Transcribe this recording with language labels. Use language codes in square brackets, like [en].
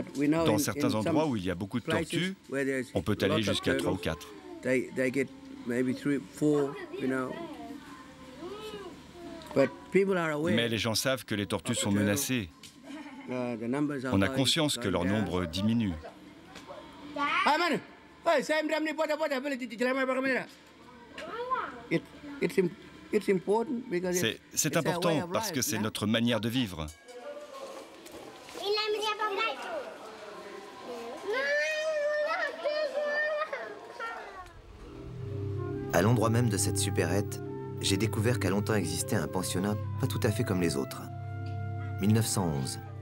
[fr] Dans certains endroits où il y a beaucoup de tortues, on peut aller jusqu'à 3 ou 4. [en] they get maybe three, four, you know. But people are aware. [fr] Mais les gens savent que les tortues sont menacées. On a conscience que leur nombre diminue. [en] Hey man, hey, same time you put up with it, you grab my camera. [fr] C'est important parce que c'est notre manière de vivre. À l'endroit même de cette supérette, j'ai découvert qu'a longtemps existé un pensionnat pas tout à fait comme les autres. 1911.